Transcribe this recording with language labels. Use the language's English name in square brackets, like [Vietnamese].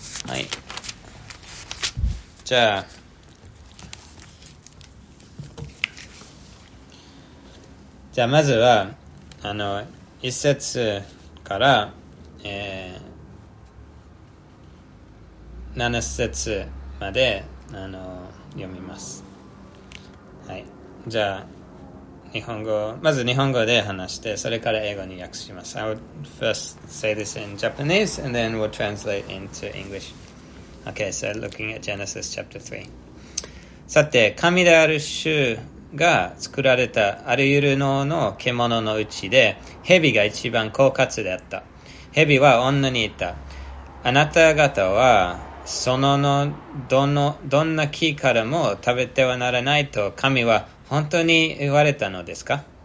[Japanese] はい、じゃあ、まずは一節から、7節まで読みます。はい、じゃあ日本語、まず日本語で話して、それから英語に訳します。 [English] I would first say this in Japanese and then we'll translate into English. Okay, so looking at Genesis chapter 3. [Japanese] さて、神である主が作られたあらゆる能の獣のうちで、蛇が一番狡猾であった。蛇は女に言った。あなた方は、その能、どんな木からも食べてはならないと神は本当に言われたのですか？